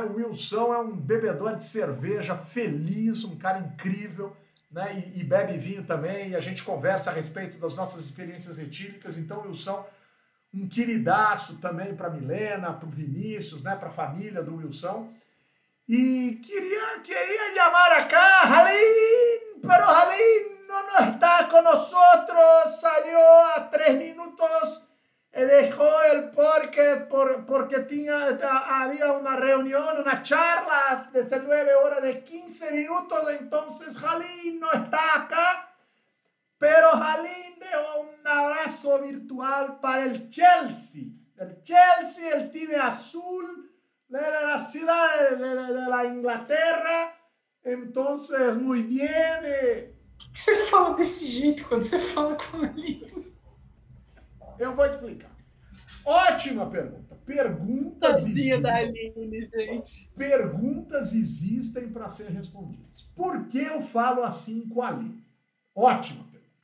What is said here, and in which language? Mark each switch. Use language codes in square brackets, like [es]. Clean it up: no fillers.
[pt] O Wilson é um bebedor de cerveja feliz, um cara incrível, né? E bebe vinho também, e a gente conversa a respeito das nossas experiências etílicas. Então, Wilson, um queridaço também para a Milena, para o Vinícius, né? Para a família do Wilson. E queria chamar [es] acá Halim, pero Halim no está con nosotros, salió a 3 minutos, dejó el parque porque había una reunión, una charla de 9:15, entonces Halim no está acá, pero Halim dejó un abrazo virtual para el Chelsea, el tibe azul, de la ciudad de la Inglaterra, entonces muy bien. [pt] O que você fala desse jeito quando você fala com o livro? Eu vou explicar. Ótima pergunta. Perguntas existem. Da Aline, gente. Perguntas existem para ser respondidas. Por que eu falo assim com a Aline? Ótima pergunta.